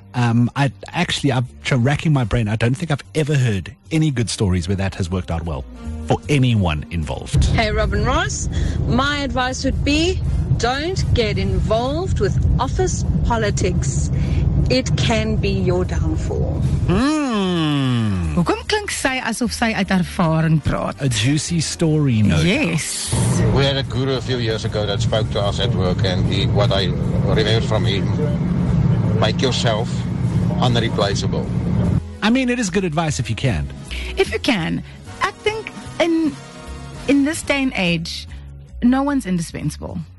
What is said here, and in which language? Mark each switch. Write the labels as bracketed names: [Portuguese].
[English] I'm racking my brain. I don't think I've ever heard any good stories where that has worked out well for anyone involved. Hey, Robin Ross, my advice would be don't get involved with office politics. It can be your downfall. [Afrikaans] Hoe kom klink sy asof sy uit ervaring praat? [English] A juicy story, no? Yes. We had a guru a few years ago that spoke to us at work, and he, what I remembered from him, make yourself unreplaceable. I mean, it is good advice if you can. If you can. I think in this day and age, no one's indispensable.